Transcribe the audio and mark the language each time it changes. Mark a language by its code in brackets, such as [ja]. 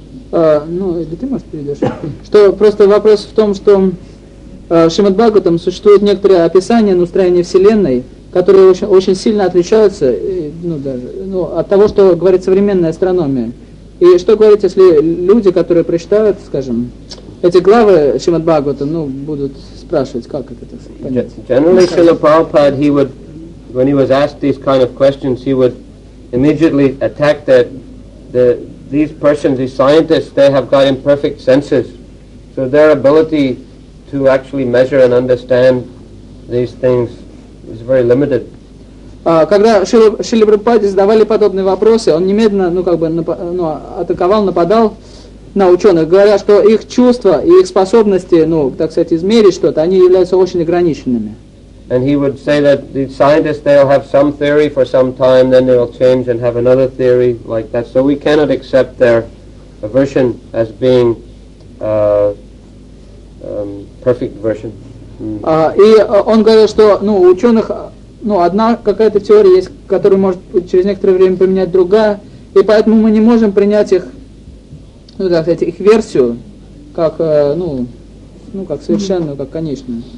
[ru] Ну, или ты, может, перейдешь? Что, просто вопрос в том, что в Шримад Бхагаватам существуют некоторые описания на устроение Вселенной, которые очень, очень сильно отличаются, ну, даже, ну, от того, что говорит современная астрономия. И что говорить, если люди, которые прочитают, скажем, эти главы Шримад Бхагавата, ну, будут спрашивать, как это понять? [en] Generally, Srila Prabhupada, he would when he was asked these kind of questions, he would immediately attack that these persons, these scientists, they have got imperfect senses. So their ability to actually measure and understand these things is very limited. [ru] Когда Шрила Прабхупаде задавали подобные вопросы, он немедленно, атаковал, нападал на ученых, говоря, что их чувства и их способности, измерить что-то, они являются очень ограниченными. [en] And he would say that the scientists, they'll have some theory for some time, then they'll change and have another theory like that. So we cannot accept their version as being perfect version. [ru] И он говорил, что у ученых одна какая-то теория есть, которую может через некоторое время поменять другая, и поэтому мы не можем принять их, их версию как как совершенную, как конечную.